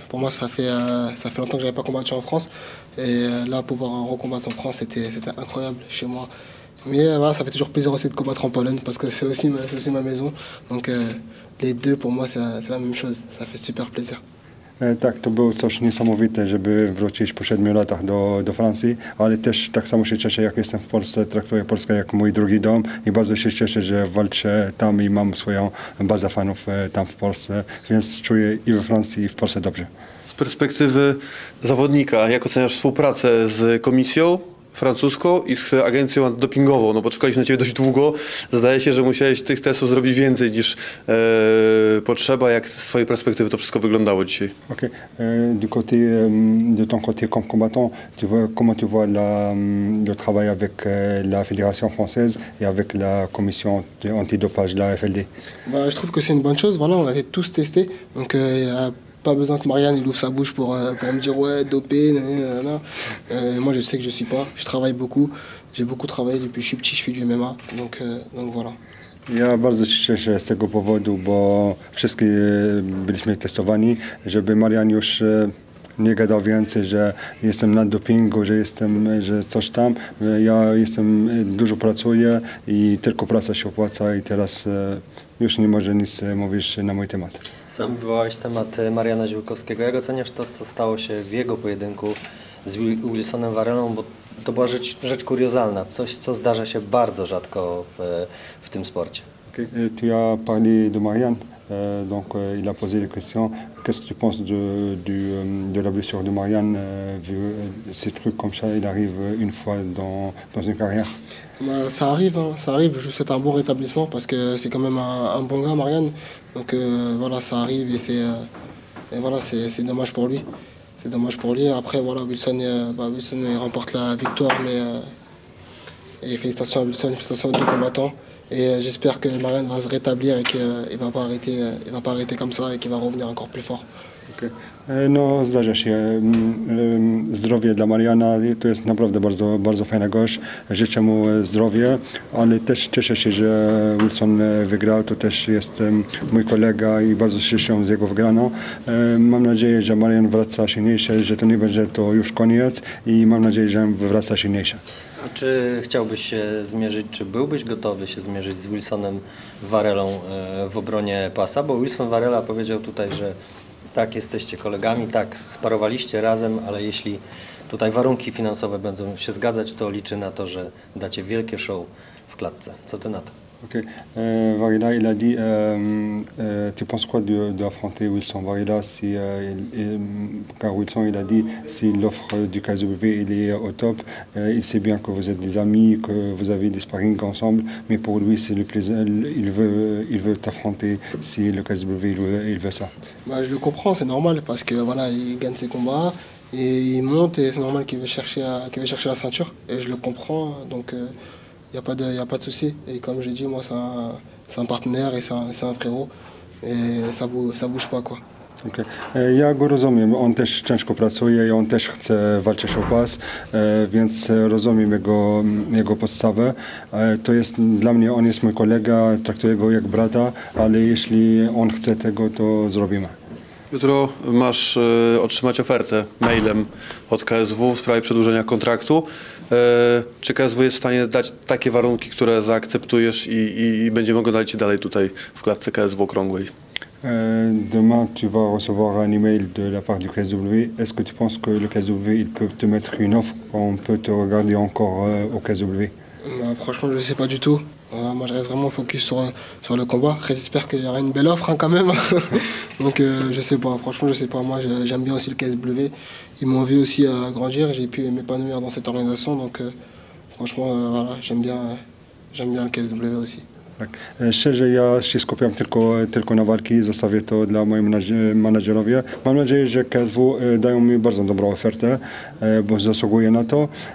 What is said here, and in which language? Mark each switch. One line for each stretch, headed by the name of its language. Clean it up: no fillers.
French: Pour moi, ça fait longtemps que j'avais pas combattu en France. Et là, pouvoir recombattre en France, c'était incroyable chez moi. Mais voilà, ça fait toujours plaisir aussi de combattre en Pologne parce que c'est aussi ma maison. Donc les deux pour moi c'est la même chose, ça fait super plaisir.
Polish: Tak, to było coś niesamowite, żeby wrócić po 7 latach do Francji, ale też tak samo się cieszę, jak jestem w Polsce, traktuję Polskę jak mój drugi dom i bardzo się cieszę, że walczę tam i mam swoją bazę fanów tam w Polsce, więc czuję i we Francji i w Polsce dobrze. Z perspektywy zawodnika, jak oceniasz współpracę z komisją francuską i z agencją antydopingową, no bo czekaliśmy na ciebie dość długo. Zdaje się, że musiałeś tych testów zrobić więcej niż potrzeba. Jak z twojej perspektywy to wszystko wyglądało dzisiaj? Okay.
French: Du côté de ton côté comme combattant, tu vois comment tu vois le travail avec la fédération française et avec la commission antidopage, la FLD? Bah, je trouve que c'est une bonne chose. Voilà, on avait tous testé. Donc pas besoin que Marianne il ouvre sa bouche pour me dire ouais dopé. Moi je sais que je suis pas, je travaille beaucoup, j'ai beaucoup travaillé depuis que je suis petit, je fais du MMA, donc voilà.
Polish: Ja bardzo się cieszę z tego powodu, bo wszyscy byliśmy testowani, żeby Marian już nie gadał więcej, że jestem na dopingu, że jestem, że coś tam. Ja jestem, dużo pracuję i tylko praca się opłaca i teraz już nie może nic mówić na mój temat. Sam wywołałeś temat Mariana Ziółkowskiego. Jak oceniasz to, co stało się w jego pojedynku z Wilsonem Varelą, bo to była rzecz kuriozalna, coś, co zdarza się bardzo rzadko w tym sporcie.
French: Tu as parlé de Marian, donc il a posé la question. Qu'est-ce que tu penses de la blessure de Marian, vu ces trucs comme ça, il arrive une fois dans une carrière? Bah, ça arrive, hein, ça arrive. Je souhaite un bon rétablissement parce que c'est quand même un bon gars, Marian. Donc voilà, ça arrive et c'est dommage pour lui. C'est dommage pour lui. Après, voilà, Wilson il remporte la victoire. Mais, et félicitations à Wilson, félicitations aux deux combattants. Et j'espère que Marianne va se rétablir et qu'il va pas arrêter comme ça et qu'il va revenir encore plus fort.
Polish: No, zdarza się. Zdrowie dla Mariana, to jest naprawdę bardzo, bardzo fajny gość. Życzę mu zdrowie, ale też cieszę się, że Wilson wygrał. To też jest mój kolega i bardzo się cieszę z jego wygraną. Mam nadzieję, że Marian wraca silniejszy, że to nie będzie to już koniec i mam nadzieję, że wraca silniejszy. A czy chciałbyś się zmierzyć, czy byłbyś gotowy się zmierzyć z Wilsonem Varelą w obronie pasa? Bo Wilson Varela powiedział tutaj, że tak, jesteście kolegami, tak, sparowaliście razem, ale jeśli tutaj warunki finansowe będą się zgadzać, to liczę na to, że dacie wielkie show w klatce. Co ty na to? Ok.
French: Varela, il a dit, tu penses quoi d'affronter Wilson Varela si, car Wilson, il a dit, si l'offre du KSW il est au top, il sait bien que vous êtes des amis, que vous avez des sparring ensemble, mais pour lui, c'est le plaisir, il veut t'affronter si le KSW il veut ça. Bah, je le comprends, c'est normal, parce que voilà, il gagne ses combats, et il monte, et c'est normal qu'il veut chercher la ceinture, et je le comprends, donc... Il n'y a pas de souci. Et comme j'ai dit, moi, c'est un partenaire et c'est un frérot. Et ça bouge pas, quoi. Okay.
Polish: Ja go rozumiem, on też ciężko pracuje i on też chce walczyć o pas, więc rozumiem jego podstawę. To jest dla mnie, on jest mój kolega, traktuję go jak brata, ale jeśli on chce tego, to zrobimy. Jutro masz otrzymać ofertę mailem od KSW w sprawie przedłużenia kontraktu. Czy KSW jest w stanie dać takie warunki, które zaakceptujesz i będziemy oglądali Cię dalej tutaj w klatce KSW okrągłej?
French: Demain, tu vas recevoir un email de la part du KSW. Est-ce que tu penses que le KSW il peut te mettre une offre qu'on peut te regarder encore au KSW? Franchement, je ne sais pas du tout. Voilà, moi, je reste vraiment focus sur le combat. J'espère qu'il y aura une belle offre hein, quand même. Donc, je sais pas. Franchement, je sais pas. Moi, j'aime bien aussi le KSW. Ils m'ont vu aussi grandir et j'ai pu m'épanouir dans cette organisation. Donc, franchement, voilà, j'aime bien le KSW aussi.
Polish: Tak. Szczerze, ja się skupiam tylko na walki, zostawię to dla moich menadżerowie. Mam nadzieję, że KSW dają mi bardzo dobrą ofertę, bo zasługuję na to.